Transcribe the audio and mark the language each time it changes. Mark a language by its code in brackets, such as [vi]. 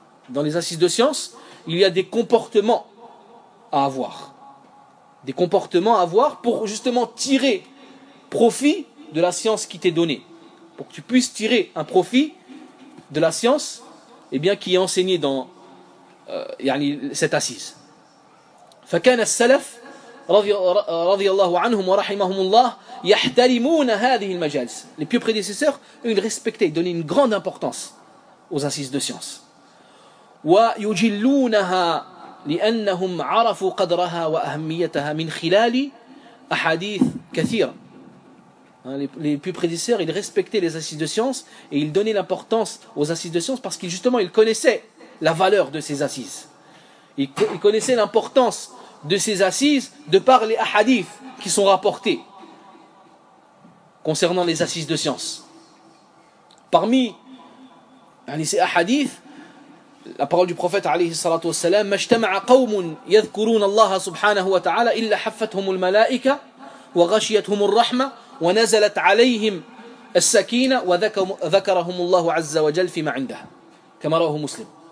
[fr] Dans les assises de science, il y a des comportements à avoir. Des comportements à avoir pour justement tirer profit de la science qui t'est donnée. Pour que tu puisses tirer un profit de la science qui est enseignée dans cette assise. [ar] فكان السلف رضي الله عنهم ورحمهم الله يحترمون هذه المجالس. [fr] Les pieux prédécesseurs, eux, ils respectaient, ils donnaient une grande importance aux assises de science. [ar] ويجلونها لأنهم عرفوا قدرها وأهميتها من خلال أحاديث كثيرة. [fr] Les plus prédécesseurs, ils respectaient les assises de science et ils donnaient l'importance aux assises de science parce qu'ils justement ils connaissaient la valeur de ces assises. Ils connaissaient l'importance de ces assises de par les hadiths qui sont rapportés concernant les assises de science. Parmi ces hadiths, la parole du prophète [ar] عليه الصلاة والسلام: مجتمع قوم يذكرون الله سبحانه وتعالى إلا حفتهم الملائكة وغشيتهم الرحمة ونزلت عليهم السكينة وذكرهم الله عز وجل فيما عنده كما رواه مسلم.